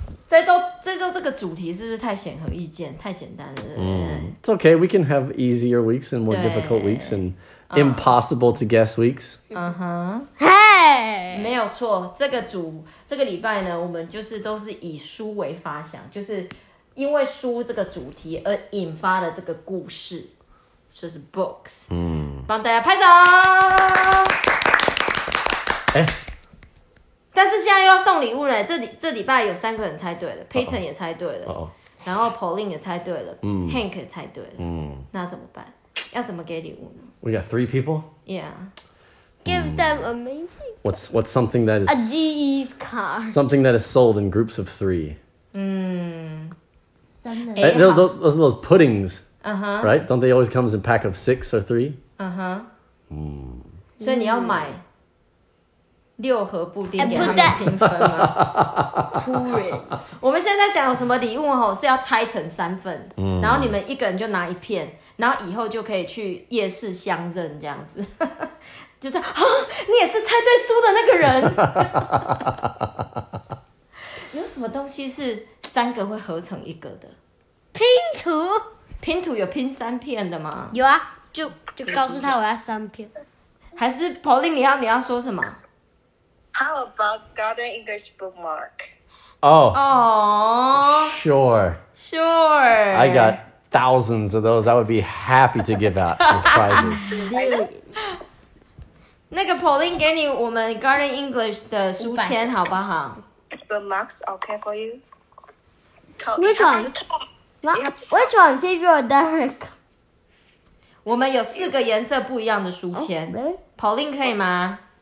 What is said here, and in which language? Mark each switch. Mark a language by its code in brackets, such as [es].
[zh] 这周这个主题是不是太显而易见，太简单了？ [en] It's okay. We can have easier weeks and more difficult weeks and impossible to guess weeks. [zh] Hey. 没有错，这个礼拜呢，我们就是都是以书为发想，就是。因为书这个主题而引发的这个故事，就是 books。帮大家拍手。但是现在又要送礼物了，这礼拜有三个人猜对了 ，Peyton 也猜对了，然后 Pauline 也猜对了，Hank 也猜对了，那怎么办？要怎么给礼物呢 [en] ？We got three people. Yeah. Give them amazing. What's something that is a GE's car? Something that is sold in groups of three. 欸、 those are those puddings,、 uh-huh. right? Don't they always come in a pack of six or three? So you have to buy [zh] 六盒布丁给他们平分吗？突然，我们现在想有什么礼物吼是要拆成三份，然后你们一个人就拿一片，然后以后就可以去夜市相认这样子，就是啊，你也是猜对书的那个人。有什么东西是三个会合成一个的？拼图，拼图有拼三片的吗？有啊，就告诉他我要三片。还是 Pauline， 你要说什么 [en] ？How about Garden English bookmark？ Sure. I got thousands of those. I would be happy to give out as prizes. [zh] 那个 Pauline 给你我们 Garden English 的书签好不好？ [en] The marks okay for you? Which one? Favorite Derek? [zh] 我们有四个颜色不一样的书签。Pauline 可以吗